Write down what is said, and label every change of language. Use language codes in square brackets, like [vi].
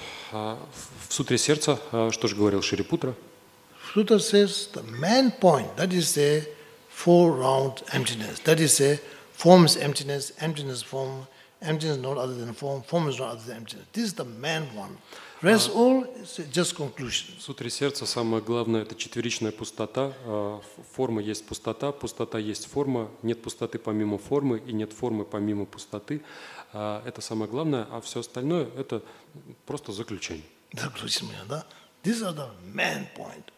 [ru] В сутре сердца что же говорил Шарипутра? [en] Sutra says the main point, that is a four round emptiness. That is a form's emptiness, emptiness form, emptiness is not other than form, form is not other than emptiness. This is the main one. Rest all is just conclusion. [ru] Сутра сердца самое главное это четверичная пустота. Форма есть пустота, пустота есть форма. Нет пустоты помимо формы и нет формы помимо пустоты. Это самое главное, а все остальное это просто заключение. Заключение, да? [en] This is the main point.